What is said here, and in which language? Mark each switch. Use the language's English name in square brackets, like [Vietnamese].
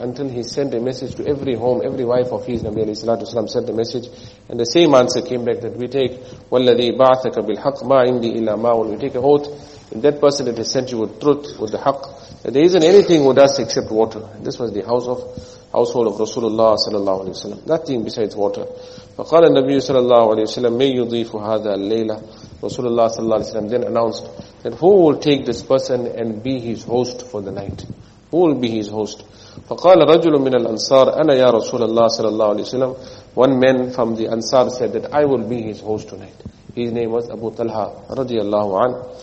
[English] Until he sent a message to every home, every wife of his, Nabi alayhi salatu wasalam sent a message. And the same answer came back that we take, [Arabic] وَالَّذِي بَعْثَكَ بِالْحَقْ مَا عِنْدِي إِلَّا مَا. [English] We take a oath in that person that has sent you with truth, with the haqq. That there isn't anything with us except water. This was the household of Rasulullah sallallahu alayhi wa sallam. Nothing besides water. [Arabic] فقال النبي صلى الله عليه وسلم من يضيف هذا الليلة. [English] Rasulullah صلى الله عليه وسلم then announced that who will take this person and be his host for the night? Who will be his host? [Arabic] فقال رجل من الأنصار أنا يا رسول الله صلى الله عليه وسلم. [English] One man from the Ansar said that I will be his host tonight. His name was Abu Talha رضي الله عنه.